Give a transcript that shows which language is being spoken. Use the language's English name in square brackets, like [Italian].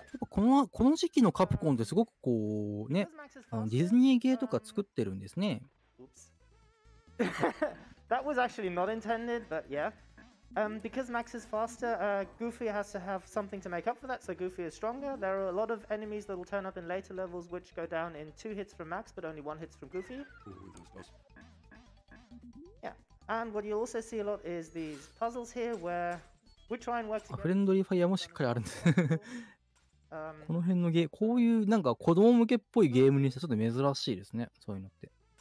[Japanese] この時期のカプコンってすごくこうね、ディズニーゲーとか作ってるんですね。 [English] That was actually not intended, but yeah. Because Max is faster, Goofy has to have something to make up for that, so Goofy is stronger. There are a lot of enemies that will turn up in later levels which go down in two hits from Max, but only one hits from Goofy. Yeah. And what you'll also see a lot is these puzzles here where. [Japanese] フレンドリーファイヤーもしっかりあるんです。この辺のゲーム、こういうなんか子供向けっぽいゲームにしてちょっと珍しいですね、そういうのって。